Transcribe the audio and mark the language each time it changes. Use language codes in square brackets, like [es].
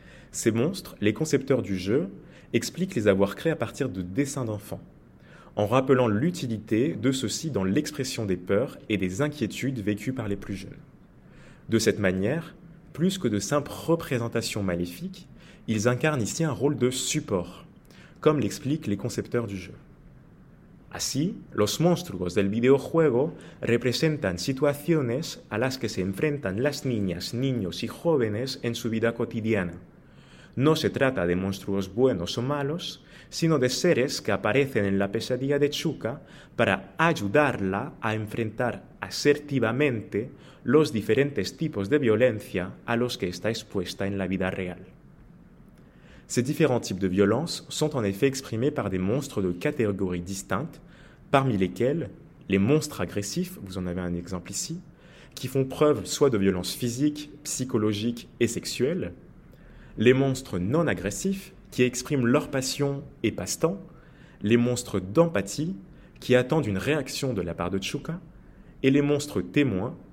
[fr] Ces monstres, les concepteurs du jeu, expliquent les avoir créés à partir de dessins d'enfants, en rappelant l'utilité de ceux-ci dans l'expression des peurs et des inquiétudes vécues par les plus jeunes. De cette manière, plus que de simples représentations maléfiques, ils incarnent ici un rôle de support, comme l'expliquent les concepteurs du jeu. [es] Así, los monstruos del videojuego representan situaciones a las que se enfrentan las niñas, niños y jóvenes en su vida cotidiana. No se trata de monstruos buenos o malos, sino de seres que aparecen en la pesadilla de Chuka para ayudarla a enfrentar asertivamente los diferentes tipos de violencia a los que está expuesta en la vida real. [fr] Ces différents types de violences sont en effet exprimés par des monstres de catégories distinctes, parmi lesquels les monstres agressifs, vous en avez un exemple ici, qui font preuve soit de violences physiques, psychologiques et sexuelles, les monstres non agressifs, qui expriment leur passion et passe-temps, les monstres d'empathie, qui attendent une réaction de la part de Chuka, et les monstres témoins,